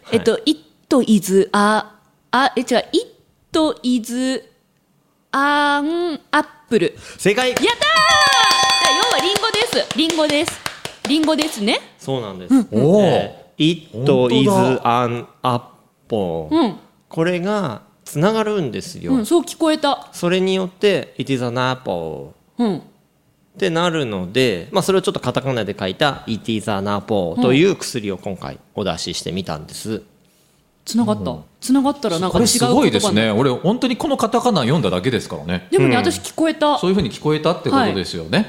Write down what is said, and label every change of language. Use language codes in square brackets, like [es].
[en] はい、It is a、違う、 It is アンアップル。 [ja] 正解。やったー。要はリンゴです、リンゴです、リンゴですね。そうなんです、うん、お、 [en] It is an apple、 [ja] うん、これがつながるんですよ、うん、そう聞こえた。 [en] それによって It is an apple、 [ja] うん、ってなるので、まあ、それをちょっとカタカナで書いた It is an apple という薬を今回お出ししてみたんです。つながった、うん、つながったらなんか違う。すごいですね。俺本当にこのカタカナ読んだだけですからね。でもね、うん、私聞こえた。そういう風に聞こえたってことですよね。